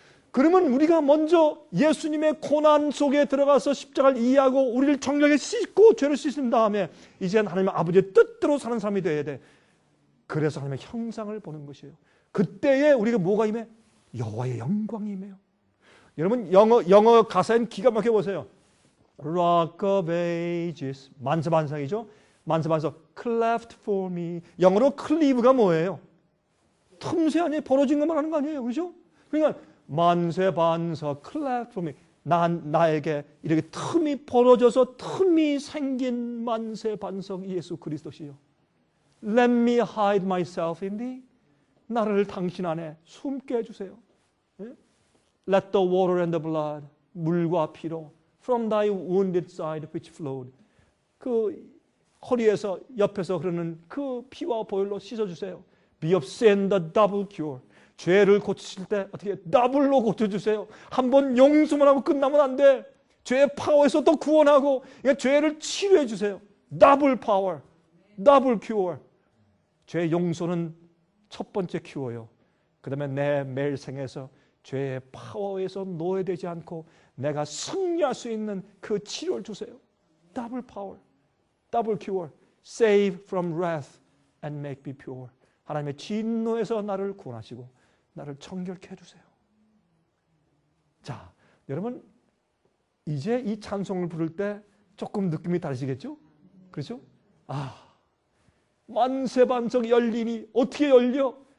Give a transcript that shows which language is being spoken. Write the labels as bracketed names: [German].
[Korean] 그러면 우리가 먼저 예수님의 고난 속에 들어가서 십자가를 이해하고 우리를 정결하게 씻고 죄를 씻은 다음에 이제 하나님 아버지의 뜻대로 사는 사람이 되어야 돼. 그래서 하나님의 형상을 보는 것이에요. 그때에 우리가 뭐가 임해? 여호와의 영광이 임해요. 여러분 영어 가사엔 기가 막혀 보세요. Rock of Ages, 만세반상이죠. 만세반상, cleft for me. 영어로 cleave가 뭐예요? 틈새 아니에요? 벌어진 것만 하는 거 아니에요? 그죠? 그러니까 만세반석, cleft for me. 나에게 이렇게 틈이 벌어져서 틈이 생긴 만세반석 예수 그리스도시요. [English] Let me hide myself in thee. [Korean] 나를 당신 안에 숨게 해주세요. [English] Let the water and the blood, 물과 피로, from thy wounded side which flowed. [Korean] 그 허리에서 옆에서 흐르는 그 피와 보혈로 씻어주세요. [English] Be of sin the double cure. [Korean] 죄를 고치실 때 어떻게 더블로 고쳐주세요. 한번 용서만 하고 끝나면 안 돼. 죄의 파워에서 또 구원하고 그러니까 죄를 치료해 주세요. 더블 파워, 더블 큐어. 죄 용서는 첫 번째 큐어요. 그 다음에 내 매일 생에서 죄의 파워에서 노예되지 않고 내가 승리할 수 있는 그 치료를 주세요. 더블 파워, 더블 큐어. [English] Save from wrath and make me pure. [Korean] 하나님의 진노에서 나를 구원하시고 나를 청결케 해주세요. 자, 여러분 이제 이 찬송을 부를 때 조금 느낌이 다르시겠죠? 그렇죠? 아, 만세반석 열리니 어떻게 열려?